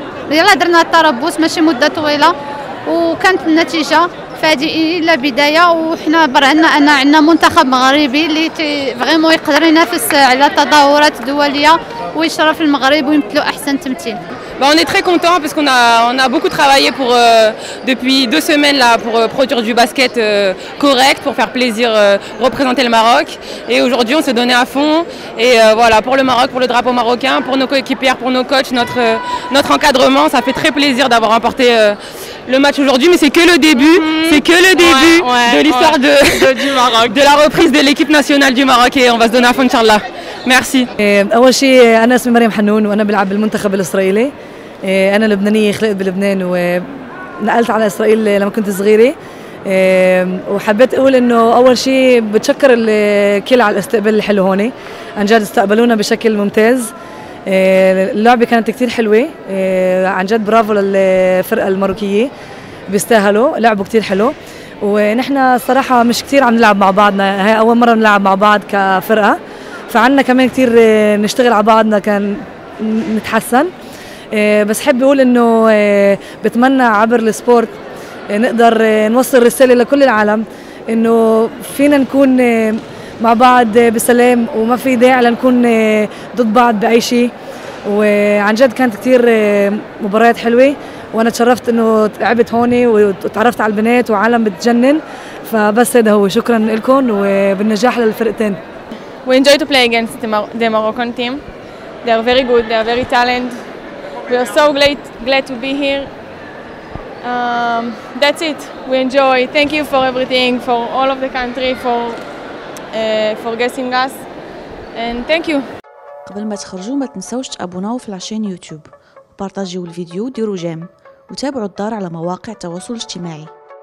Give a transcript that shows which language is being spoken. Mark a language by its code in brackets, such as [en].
[ar] يلا درنا التربص ماشي مدة طويلة وكانت النتيجة فهذه إلا بداية وحنا برهنا أن عندنا منتخب مغربي اللي فريمون يقدر ينافس على التظاهرات الدولية ويشرف المغرب ويمثلوا أحسن تمثيل. [fr] Bah on est très content parce qu'on a beaucoup travaillé pour depuis deux semaines là pour produire du basket correct pour faire plaisir représenter le Maroc et aujourd'hui on s'est donné à fond et voilà pour le Maroc pour le drapeau marocain pour nos coéquipières pour nos coachs notre notre encadrement ça fait très plaisir d'avoir remporté le match aujourd'hui mais c'est que le début de l'histoire du Maroc de la reprise de l'équipe nationale du Maroc et on va se donner à fond inchallah. ميرسي [ar] اول شيء انا اسمي مريم حنون وانا بلعب بالمنتخب الاسرائيلي انا لبنانيه خلقت بلبنان ونقلت على اسرائيل لما كنت صغيره وحبيت اقول انه اول شيء بتشكر الكل على الاستقبال الحلو هون عن جد استقبلونا بشكل ممتاز اللعبه كانت كثير حلوه عن جد برافو للفرقه الماروكيه بيستاهلوا لعبوا كثير حلو ونحن صراحه مش كثير عم نلعب مع بعضنا هي اول مره نلعب مع بعض كفرقه فعنا كمان كثير نشتغل على بعضنا كان نتحسن بس حب اقول انه بتمنى عبر السبورت نقدر نوصل رساله لكل العالم انه فينا نكون مع بعض بسلام وما في داعي لنكون ضد بعض باي شيء وعن جد كانت كثير مباريات حلوه وانا تشرفت انه لعبت هون وتعرفت على البنات وعالم بتجنن فبس هذا هو شكرا لكم وبالنجاح للفرقتين [en] We enjoy to play against the Moroccan team. They are very good. They are very talented. We are so glad to be here. That's it. We enjoy. Thank you for everything, for all of the country, for guessing us. And thank you. [ar] قبل ما تخرجوا ما تنسوش تابوناو في العشان يوتيوب وبارطاجيو الفيديو وديروا جيم. وتابعوا الدار على مواقع التواصل الاجتماعي.